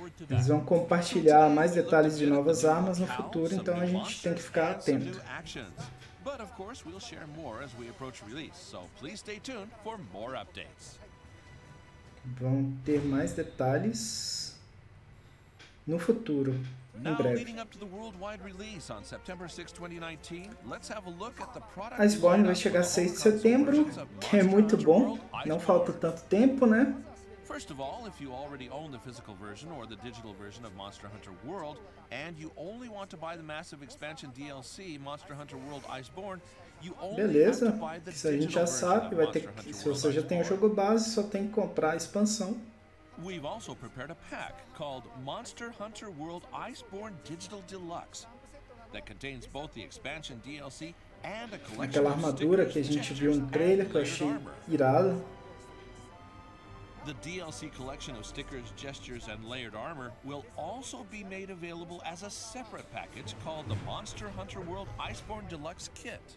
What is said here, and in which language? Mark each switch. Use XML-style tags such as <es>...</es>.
<pt>Eles vão compartilhar mais detalhes de novas armas no futuro, então a gente tem que ficar atento.</pt> <en>But of course, we'll share more as we approach release. So please stay tuned for more updates.</en> <pt>Vão ter mais detalhes no futuro.</pt> <en>Now, leading up to the worldwide release on September 6, 2019, let's have a look at the product.</en> <pt>Iceborne vai chegar 6 de setembro, que é muito bom. Não falta tanto tempo, né?</pt> <en>First of all, if you already own the physical version or the digital version of Monster Hunter World, and you only want to buy the massive expansion DLC Monster Hunter World Iceborne, you only</en> <pt>beleza.</pt> <en>Have to buy the digital version.</en> <pt>Beleza. Isso a gente já sabe. Vai ter que, se você já tem o jogo base, só tem que comprar a expansão.</pt> <en>We've also prepared a pack called Monster Hunter World Iceborne Digital Deluxe that contains both the expansion DLC and a collection.</en> <pt>Aquela armadura que a gente viu no trailer que eu achei irada.</pt> <en>The DLC collection of stickers, gestures and layered armor will also be made available as a separate package called the Monster Hunter World Iceborne Deluxe Kit.</en>